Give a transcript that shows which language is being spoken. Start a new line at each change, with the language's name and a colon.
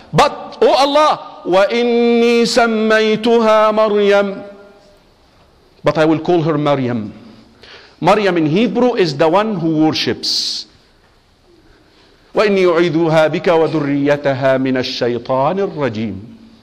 English: But oh Allah,
Arabic: وإني سميتها مريم.
English: But I will call her Maryam. Maryam in Hebrew is the one who worships.
Arabic: وإني أعيذها بك وذريتها من الشيطان الرجيم.